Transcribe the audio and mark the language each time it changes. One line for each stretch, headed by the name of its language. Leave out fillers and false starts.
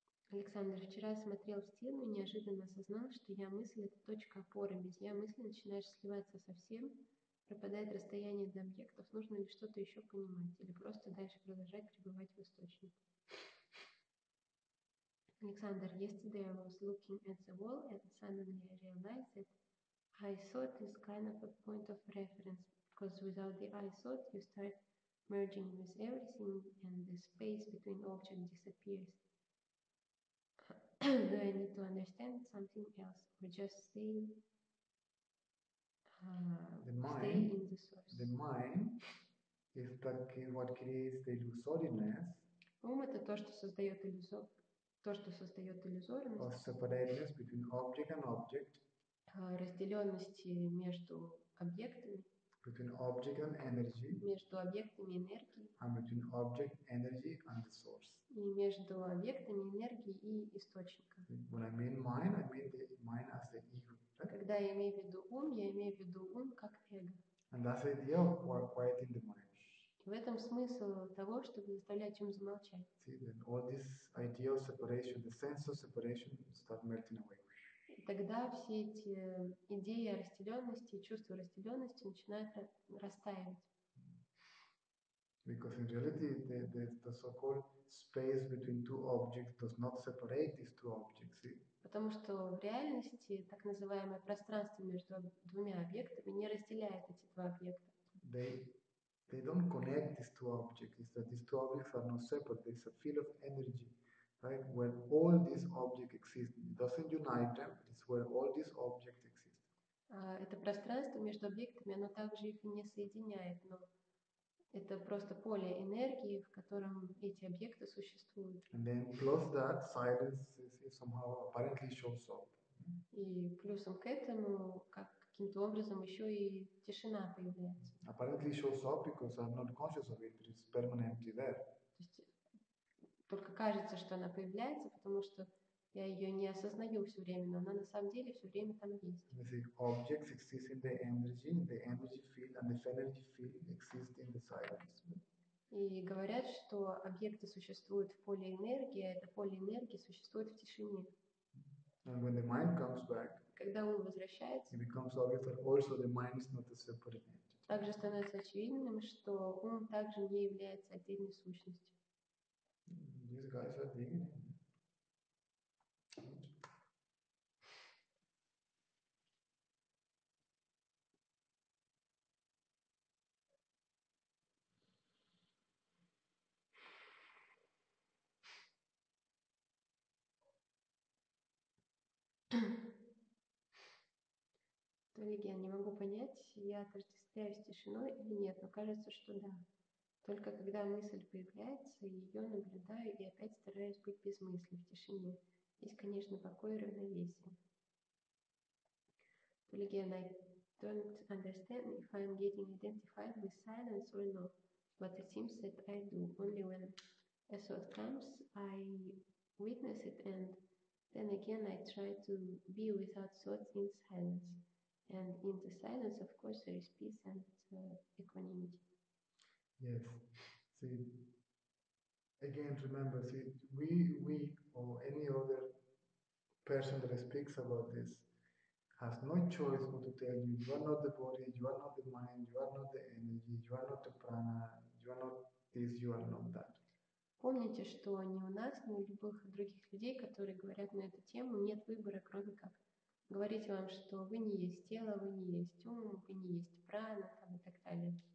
Russian: Александр, вчера я смотрел в стену и неожиданно осознал, что я мысль – это точка опоры. Без я мысли начинаешь сливаться со всем, пропадает расстояние до объектов. Нужно ли что-то еще понимать или просто дальше продолжать пребывать в источнике?
English: Александр, yesterday I was looking at the wall and suddenly I realized that I thought is kind of a point of reference, because without the I thought you start merging with everything and the space between objects disappears. Do I need to understand something else, or just stay, the mind, stay in the source? The mind is what creates the illusoriness.
Russian: Ум это то, что создает иллюзорность.
English: Or separateness between object and object.
Russian: Разделенности между объектами.
English: Between object and energy.
Russian: Между объектами и энергией.
English: And between object, energy, and the source.
Russian: И между объектами энергии и источником.
English: When I mean mind, I mean the mind as the ego. Right?
Russian: Когда я имею в виду ум, я имею в виду ум как эго.
English: And that's the idea of quieting the mind.
Russian: И в этом смысл того, чтобы заставлять ум замолчать.
English: See, then all this idea of separation, the sense of separation, start melting away.
Russian: И тогда все эти идеи о разделенности, чувства разделенности начинают растаивать.
English: Because in reality, the so-called space between two objects does not separate these two objects. See?
Russian: Потому что в реальности так называемое пространство между двумя объектами не разделяет эти два объекта.
English: They don't connect these two objects. It's that these two objects are not separate. There's a field of energy, right, where all these objects exist. It doesn't unite them. But it's where all these objects exist.
Russian: Это пространство между объектами, оно также их не соединяет, но это просто поле энергии, в котором эти объекты существуют.
English: And then plus that, silence somehow apparently shows up.
Russian: И плюсом к этому, как каким-то образом еще и тишина появляется.
English: Apparently shows up because I'm not conscious of it, but it's permanently there.
Russian: То есть, только кажется, что она появляется, потому что я ее не осознаю все время, но она на самом деле все время там есть.
English: The object exists in the energy field, and the energy field exists in the silence.
Russian: И говорят, что объекты существуют в поле энергии, а это поле энергии существует в тишине.
English: And when the mind comes back,
Russian: когда ум возвращается,
English: it becomes obvious that also the mind is not a separate entity.
Russian: Также становится очевидным, что ум также не является отдельной сущностью.
English: These guys are digging.
Russian: Коллеги, я не могу понять, я отождествляюсь с тишиной или нет, но кажется, что да. Только когда мысль появляется, ее наблюдаю и опять стараюсь быть без мысли, в тишине. Есть, конечно, покой и равновесие.
English: Коллеги, I don't understand if I'm getting identified with silence or not, but it seems that I do. Only when a thought comes, I witness it, and then again I try to be without thoughts in silence. And in the silence, of course, there is peace and equanimity. Yes. See, again, remember, see, we or any other person that speaks about this has no choice but to tell you, you are not the body, you are not the mind, you are not the energy, you are not the prana, you are not this, you are not that.
Russian: Помните, что ни у нас, ни у любых других людей, которые говорят на эту тему, нет выбора, кроме как говорите вам, что вы не есть тело, вы не есть ум, вы не есть прана, там, и так далее.